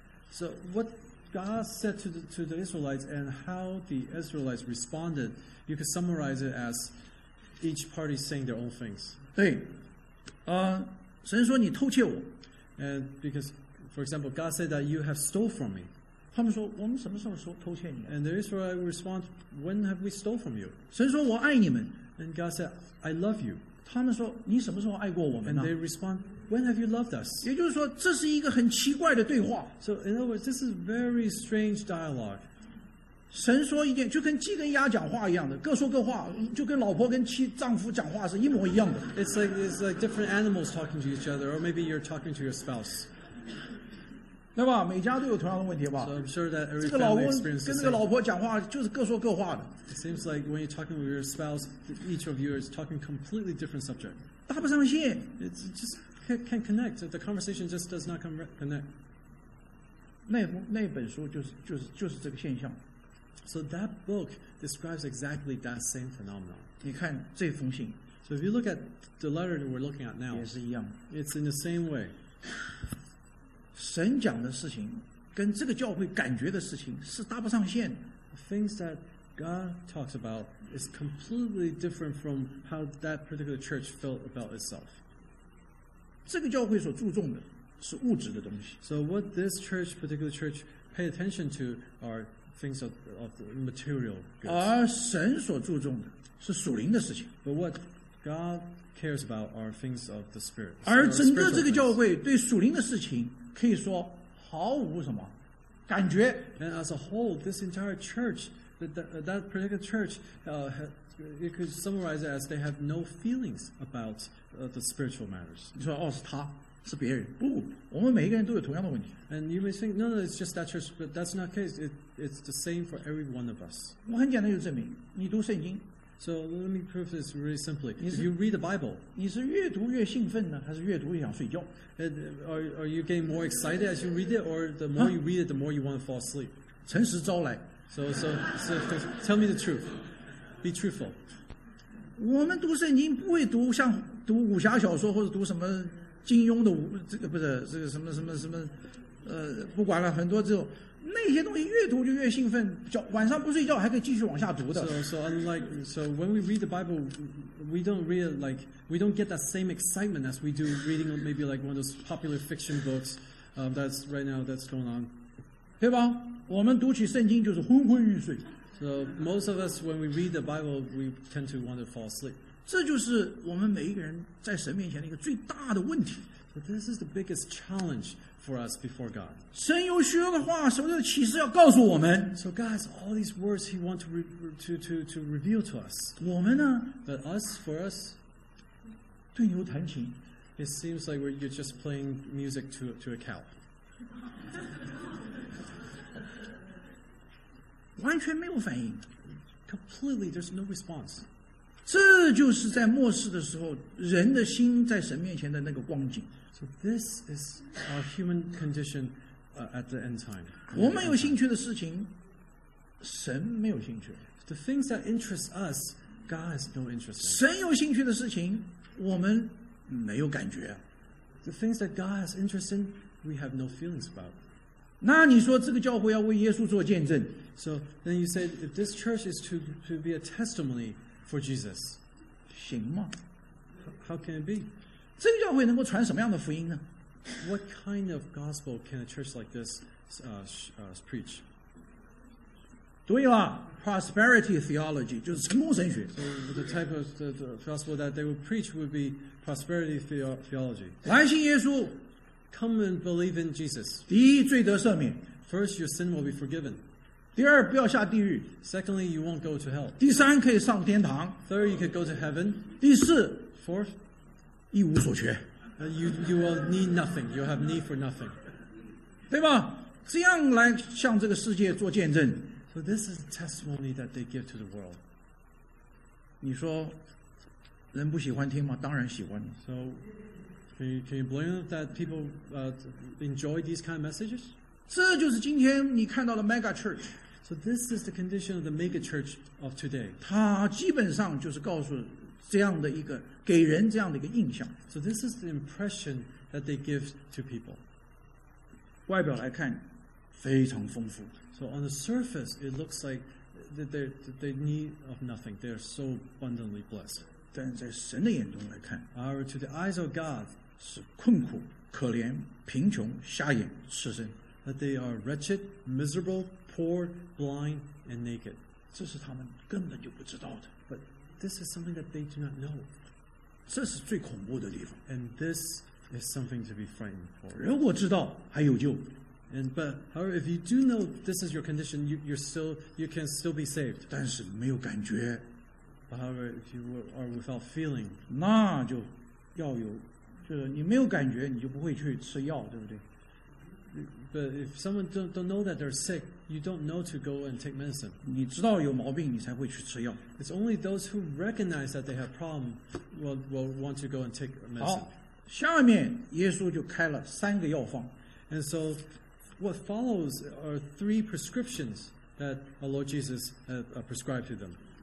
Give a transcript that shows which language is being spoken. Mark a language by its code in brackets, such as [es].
[en] So what God said to the Israelites and how the Israelites responded, you could summarize it as each party saying their own things. [zh] 对，神说你偷窃我。 [en] And because, for example, God said that you have stole from me. [zh] 他们说我们什么时候偷窃你？ [en] And the Israelites respond, when have we stole from you? [zh] 神说我爱你们。 [en] And God said, I love you. [zh] 他们说你什么时候爱过我们呢？ [en] And they respond,When have you loved us? [zh] 也就是说，这是一个很奇怪的对话。 [en] So in other words, this is very strange dialogue. [zh] 神说一件，就跟鸡跟鸭讲话一样的，各说各话，就跟老婆跟妻丈夫讲话是一模一样的。 [en] It's like different animals talking to each other, or maybe you're talking to your spouse. [zh] 对吧？每家都有同样的问题吧 [en] ？So I'm sure that every family experiences the same. [zh] 这个老公跟这个老婆讲话就是各说各话的。 [en] It seems like when you're talking with your spouse, each of you is talking completely different subject. [zh] 搭不上线。 [en] It just can't connect. The conversation just does not connect. [zh] 那本书就是这个现象。 [en] So that book describes exactly that same phenomenon. [zh] 你看这封信。 [en] So if you look at the letter that we're looking at now, [zh] 也是一样。 [en] It's in the same way. [zh] 神讲的事情跟这个教会感觉的事情是搭不上线。 [en] Things that God talks about is completely different from how that particular church felt about itself. [zh] 这个教会所注重的是物质的东西。 [en] So what this church, particular church, pay attention to are things of the material goods. [zh] 而神所注重的是属灵的事情。 [en] But what God cares about are things of the spirit. [zh] 而整个这个教会对属灵的事情可以说毫无什么感觉。 [en] And as a whole, this entire church, that particular church, you could summarize it as they have no feelings about the spiritual matters. [zh] 你说哦，是他。是别人不，我们每一个人都有同样的问题。 [en] And you may think, no, it's just that church, but that's not the case. It's the same for every one of us. [zh] 我很简单就证明，你读圣经。 [en] So let me prove this really simply. If you read the Bible, [zh] 你是越读越兴奋呢，还是越读越想睡觉？ [en] Are you getting more excited as you read it, or the more you read it, the more you want to fall asleep? [zh] 诚实招来。 [en] So, tell me the truth. Be truthful. [zh] 我们读圣经不会读像读武侠小说或者读什么。金庸的这个不是这个什么什么什么，不管了，很多这种那些东西，越读就越兴奋，晚上不睡觉还可以继续往下读的。 [en] So when we read the Bible, we don't read like we don't get that same excitement as we do reading maybe like one of those popular fiction books, that's right now that's going on. [zh] 对吧？我们读起圣经就是昏昏欲睡。 [en] So most of us when we read the Bible, we tend to want to fall asleep. [zh] 这就是我们每一个人在神面前的一个最大的问题。 [en] But this is the biggest challenge for us before God. [zh] 神有许多的话，神的启示要告诉我们。 [en] So God has all these words He wants to reveal to us. [zh] 我们呢 [en] ？But us, for us, [zh] 对牛弹琴。 [en] It seems like we're just playing music to a cow. [zh] 完全没有反应。 [en] Completely, there's no response. [zh] 这就是在末世的时候，人的心在神面前的那个光景。 [en] So this is our human condition at the end time. [zh] 我们有兴趣的事情，神没有兴趣。 [en] The things that interest us, God has no interest in. [zh] 神有兴趣的事情，我们没有感觉。 [en] The things that God has interest in, we have no feelings about. [zh] 那你说这个教会要为耶稣做见证 [en] ？So then you say if this church is to be a testimony. For Jesus. [zh] 行吗 [en] How can it be? [zh] 这个教会能够传什么样的福音呢 [en] What kind of gospel can a church like this preach? [zh] 对了 [en] prosperity theology, [zh] 就是成功神学 [en] So the type of the gospel that they would preach would be prosperity theology. [zh] 来信耶稣 [en] Come and believe in Jesus. [zh] 第一罪得赦免 [en] First, your sin will be forgiven. [zh] 第二，不要下地狱。 [en] Secondly, you won't go to hell. [zh] 第三，可以上天堂。 [en] Third, you could go to heaven. [zh] 第四 [en] ，Fourth, [zh] 一无所缺。 [en] You will need nothing. You have need for nothing. [zh] 对吧？这样来向这个世界做见证。 [en] So this is a testimony that they give to the world. [zh] 你说人不喜欢听吗？当然喜欢。 [en] So can you blame that people enjoy these kind of messages? [zh] 这就是今天你看到的 mega church. [en] So this is the condition of the mega church of today. [zh] 它基本上就是告诉这样的一个给人这样的一个印象。 [en] So this is the impression that they give to people. [zh] 外表来看非常丰富。 [en] So on the surface, it looks like they need of nothing. They are so abundantly blessed. [zh] 但在神的眼中来看 [en] ，However, to the eyes of God, [zh] 是困苦、可怜、贫穷、瞎眼、赤身。 [en] That they are wretched, miserable, poor, blind, and naked. [zh] 这是他们根本就不知道的。 [en] But this is something that they do not know. [zh] 这是最恐怖的地方。 [en] And this is something to be frightened for. [zh] 如果知道还有救。 [en] And but however, if you do know this is your condition, you can still be saved. [zh] 但是没有感觉。 [en] But however, if you are without feeling, [zh] 那就要有，就是你没有感觉，你就不会去吃药，对不对？ [en] But if someone don't know that they're sick, you don't know to go and take medicine. [zh] 你知道有毛病，你才会去吃药。 [en] It's only those who recognize that they have problem will want to go and take medicine. [zh] 好，下面耶稣就开了三个药方。 [en] And so, what follows are three prescriptions that our Lord Jesus prescribed to them.